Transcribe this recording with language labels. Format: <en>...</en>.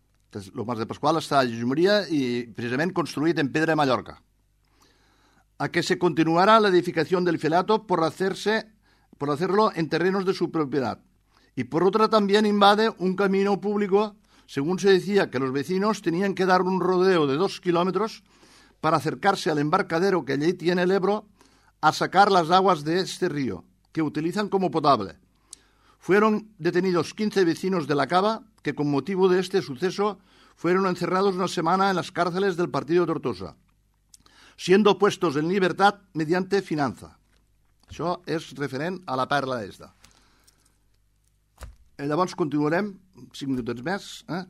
<ca>El mas de Pascual està a Jusmoria i, precisament, construït en pedra de Mallorca.</ca> <es>A que se continuara l'edificació del fielato por hacerlo en terrenos de su propiedad. Y por otra también invade un camino público, según se decía que los vecinos tenían que dar un rodeo de 2 kilómetros para acercarse al embarcadero que allí tiene el Ebro a sacar las aguas de este río, que utilizan como potable. Fueron detenidos 15 vecinos de la Cava, que con motivo de este suceso fueron encerrados una semana en las cárceles del partido de Tortosa, siendo puestos en libertad mediante fianza.</es> <ca>Això és referent a la perla d'esta. Llavors continuarem, 5 minuts més.</ca>